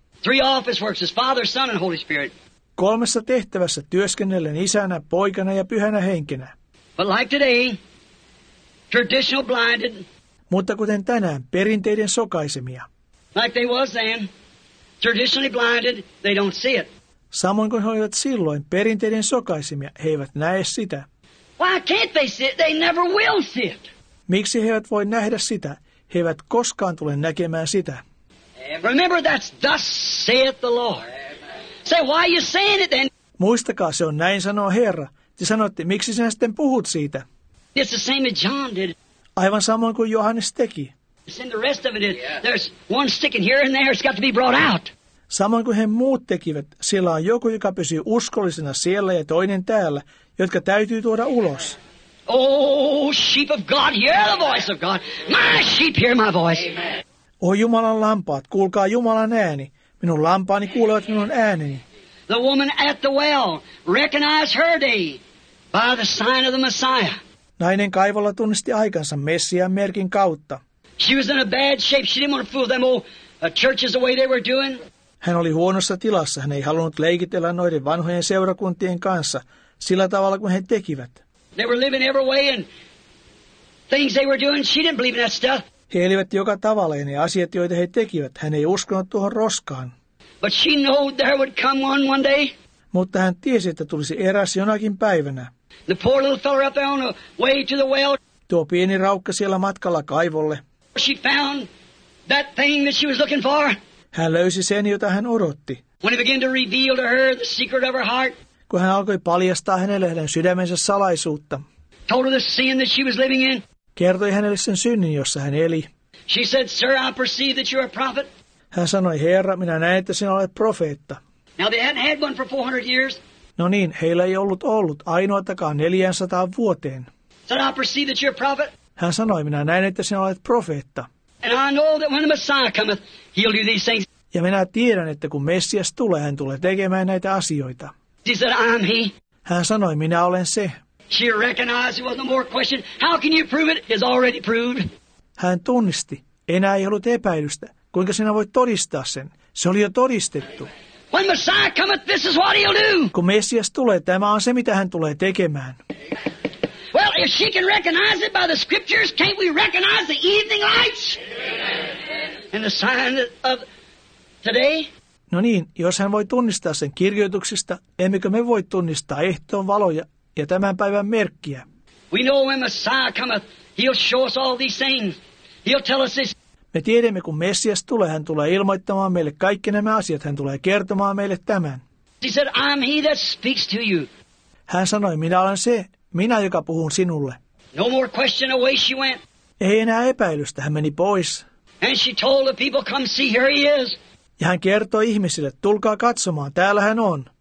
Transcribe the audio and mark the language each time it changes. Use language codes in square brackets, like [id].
[en] Three office works is Father, Son and Holy Spirit. [fi] Kolmessa tehtävässä työskennellen Isänä, Poikana ja Pyhänä Henkenä. [en] But like today, traditional blinded. [fi] Mutta kuten tänään, perinteiden sokaisemia. [en] Like they was then, traditionally blinded, they don't see it. [fi] Samoin kuin he olivat silloin perinteiden sokaisemia, he eivät näe sitä. [en] Why can't they see it? They never will see it. [fi] Miksi he eivät voi nähdä sitä? He eivät koskaan tule näkemään sitä. [en] Remember that's thus saith the Lord. Say, why are you saying it then? [fi] Muistakaa, se on näin sanoo Herra. Te sanotte, miksi sinä sitten puhut siitä? [en] It's the same as John did. [fi] Aivan samoin kuin Johannes teki. [en] Send the rest of it. Yeah. There's one sticking here and there. It's got to be brought out. [fi] Samoin kuin he muut tekivät, siellä on joku, joka pysyy uskollisena siellä ja toinen täällä, jotka täytyy tuoda ulos. [en] Oh, sheep of God, hear the voice of God. My sheep, hear my voice. [fi] Oh, Jumalan lampaat, kuulkaa Jumalan ääni. Minun lampaani kuulevat minun ääneni. [en] The woman at the well, recognize her day by the sign of the Messiah. [fi] Nainen kaivolla tunnisti aikansa Messiaan merkin kautta. [en] She was in a bad shape. She didn't want to fool them old churches the way they were doing. [fi] Hän oli huonossa tilassa. Hän ei halunnut leikitellä noiden vanhojen seurakuntien kanssa sillä tavalla kuin he tekivät. [en] They were living every way and things they were doing. She didn't believe in that stuff. [fi] He elivät joka tavalla ja ne asiat, joita he tekivät, hän ei uskonut tuohon roskaan. [en] But she knew there would come one day. [fi] Mutta hän tiesi, että tulisi eräs jonakin päivänä. [en] The poor little fellow up there on the way to the well. [fi] Tuo pieni raukka siellä matkalla kaivolle. [en] She found that thing that she was looking for. [fi] Hän löysi sen, jota hän odotti. [en] When he began to reveal to her the secret of her heart. [fi] Kun hän alkoi paljastaa hänelle hänen sydämensä salaisuutta. [en] Told her the sin that she was living in. [fi] Kertoi hänelle sen synnin, jossa hän eli. [en] She said, sir, I perceive that you are a prophet. [fi] Hän sanoi, Herra, minä näen, että sinä olet profeetta. [en] Now they hadn't had one for 400 years. [fi] No niin, heillä ei ollut ainoatakaan 400 vuoteen. [en] Said, I perceive that you're a prophet. [fi] Hän sanoi, minä näen, että sinä olet profeetta. [en] And I know that when the Messiah cometh, he'll do these things. [fi] Ja minä tiedän, että kun Messias tulee, hän tulee tekemään näitä asioita. [en] She said, I'm he. [fi] Hän sanoi, minä olen se. [en] She recognized it was no more question. How can you prove it? It's already proved. [fi] Hän tunnisti. Enää ei ollut epäilystä. Kuinka sinä voit todistaa sen? Se oli jo todistettu. [en] When Messiah cometh, this is what he'll do. [fi] Kun Messias tulee, tämä on se, mitä hän tulee tekemään. [en] Well, if she can recognize it by the scriptures, can't we recognize the evening lights? And the sign of today? [fi] No niin, jos hän voi tunnistaa sen kirjoituksista, emmekö me voi tunnistaa ehtoon valoja ja tämän päivän merkkiä? [en] We know when Messiah cometh, he'll show us all these things. He'll tell us this. [fi] Me tiedämme, kun Messias tulee, hän tulee ilmoittamaan meille kaikki nämä asiat. Hän tulee kertomaan meille tämän. [en] He said, I'm he that speaks to you. [fi] Hän sanoi, minä olen se, minä, joka puhun sinulle. [en] No more question, away she went. [fi] Ei enää epäilystä, hän meni pois. [en] And she told the people, come see, here he is. [fi] Ja hän kertoi ihmisille, tulkaa katsomaan, täällä hän on.